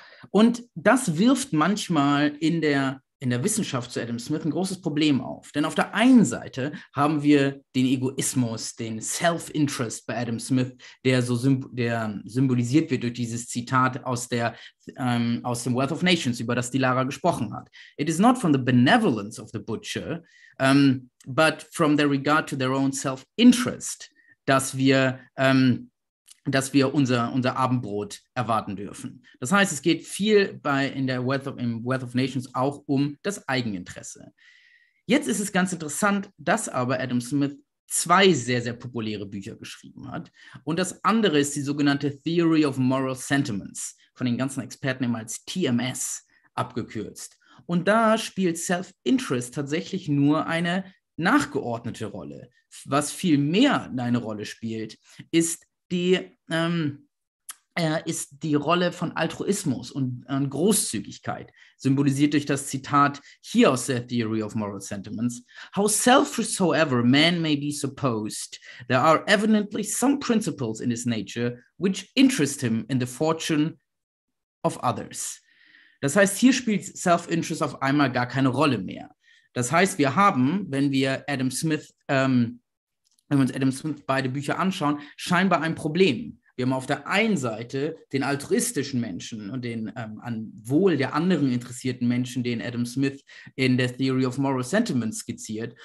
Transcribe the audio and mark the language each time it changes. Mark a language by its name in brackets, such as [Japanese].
[German] Und das wirft manchmal in der Wissenschaft zu Adam Smith ein großes Problem auf. Denn auf der einen Seite haben wir den Egoismus, den Self-Interest bei Adam Smith, der symbolisiert wird durch dieses Zitat aus dem Wealth of Nations, über das die Lara gesprochen hat. [English] It is not from the benevolence of the butcher, but from their regard to their own self-interest, [German] dass wir unser Abendbrot erwarten dürfen. Das heißt, es geht viel im Wealth of Nations auch um das Eigeninteresse. Jetzt ist es ganz interessant, dass aber Adam Smith zwei sehr, sehr populäre Bücher geschrieben hat. Und das andere ist die sogenannte Theory of Moral Sentiments, von den ganzen Experten immer als TMS abgekürzt. Und da spielt Self-Interest tatsächlich nur eine nachgeordnete Rolle. Was viel mehr eine Rolle spielt, ist die Rolle von Altruismus und Großzügigkeit, symbolisiert durch das Zitat hier aus der Theory of Moral Sentiments. [English] How selfish soever man may be supposed, there are evidently some principles in his nature which interest him in the fortune of others. [German] Das heißt, hier spielt Self-Interest auf einmal gar keine Rolle mehr. Das heißt, wir haben, wenn wir uns Adam Smith beide Bücher anschauen, scheinbar ein Problem. Wir haben auf der einen Seite den altruistischen Menschen und den an Wohl der anderen interessierten Menschen, den Adam Smith in der Theory of Moral Sentiments skizziert.